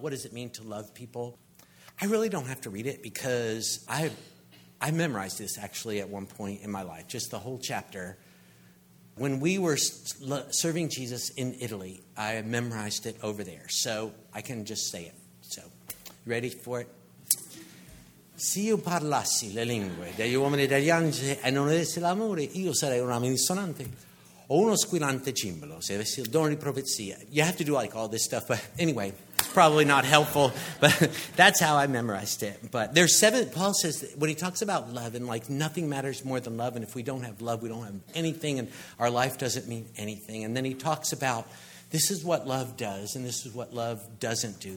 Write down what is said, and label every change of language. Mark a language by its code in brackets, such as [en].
[en] What does it mean to love people? I really don't have to read it because I memorized this actually at one point in my life, just the whole chapter. When we were serving Jesus in Italy, I memorized it over there. So I can just say it. So, ready for it? [it] Se io parlassi le lingue degli uomini e degli angeli e non avessi l'amore, io sarei un rame dissonante o uno squillante cimbalo se avessi il dono di profezia. [en] You have to do like all this stuff, but anyway, it's probably not helpful. But that's how I memorized it. But there's seven, Paul says, that when he talks about love and like nothing matters more than love, and if we don't have love, we don't have anything and our life doesn't mean anything. And then he talks about this is what love does and this is what love doesn't do.